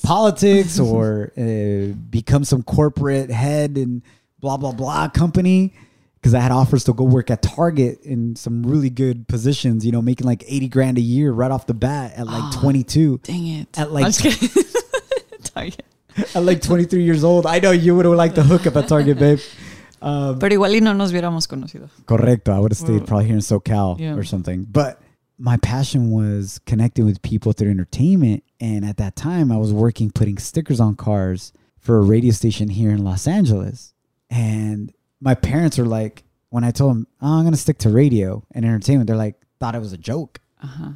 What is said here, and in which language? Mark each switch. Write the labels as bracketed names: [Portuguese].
[English] politics, or become some corporate head and blah blah blah company." Because I had offers to go work at Target in some really good positions, you know, making like 80 grand a year right off the bat at like 22. Dang it. At like, Target. At like 23 years old. I know you would have liked the hookup at Target, babe. [Spanish] Pero igual y no nos hubiéramos conocido. Correcto. [English] I would have stayed probably here in SoCal or something. But my passion was connecting with people through entertainment. And at that time, I was working putting stickers on cars for a radio station here in Los Angeles. And my parents were like, when I told them, oh, I'm going to stick to radio and entertainment, they're like, thought it was a joke. Uh-huh.